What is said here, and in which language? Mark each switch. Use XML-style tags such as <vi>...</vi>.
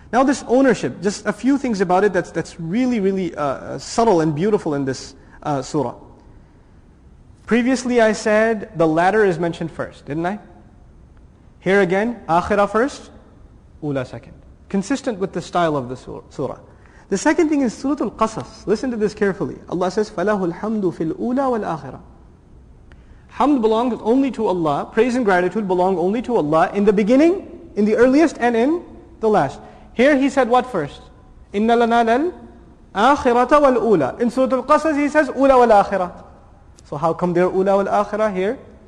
<en>Now this ownership, just a few things about it that's really, really subtle and beautiful in this surah. Previously I said the latter is mentioned first, didn't I? Here again, akhirah first, ula second. Consistent with the style of the surah. The second thing is Surah Al-Qasas. Listen to this carefully. Allah says,</en> <ar>فَلَهُ الْحَمْدُ فِي الْأُولَى وَالْآخِرَةِ.</ar> <en>Hamd belongs only to Allah. Praise and gratitude belong only to Allah in the beginning, in the earliest, and in the last. Here he said what first?</en> <ar>إِنَّ لَنَا لَلْآخِرَةَ وَالْأُولَى.</ar> <en>In Surah Al-Qasas he says,</en> <ar>أُولَى وَالْآخِرَةِ.</ar> <en>So how come there أُولَى وَالْآخِرَةِ here?</en>